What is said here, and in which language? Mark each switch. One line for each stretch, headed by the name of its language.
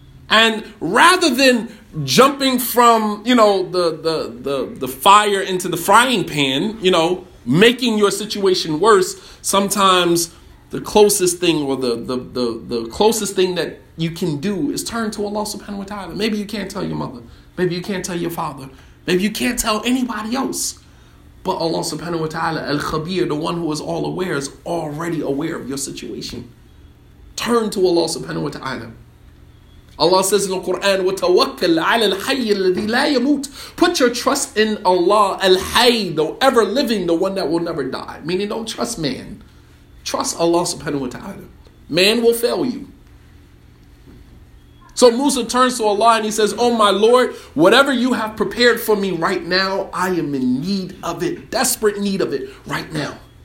English: And rather than jumping from, you know, the fire into the frying pan, you know, making your situation worse, sometimes the closest thing or the closest thing that you can do is turn to Allah subhanahu wa ta'ala. Maybe you can't tell your mother. Maybe you can't tell your father. Maybe you can't tell anybody else. But Allah subhanahu wa ta'ala, Al-Khabir, the one who is all aware, is already aware of your situation. Turn to Allah subhanahu wa ta'ala. Allah says in the Quran,
Arabic: وَتَوَكَّلْ عَلَى الْحَيِّ الَّذِي لَا يَمُوتُ.
English: Put your trust in Allah, Al-Hayy, the ever-living, the one that will never die. Meaning don't trust man. Trust Allah subhanahu wa ta'ala. Man will fail you. So Musa turns to Allah and he says, oh my Lord, whatever you have prepared for me right now, I am in need of it, desperate need of it right now.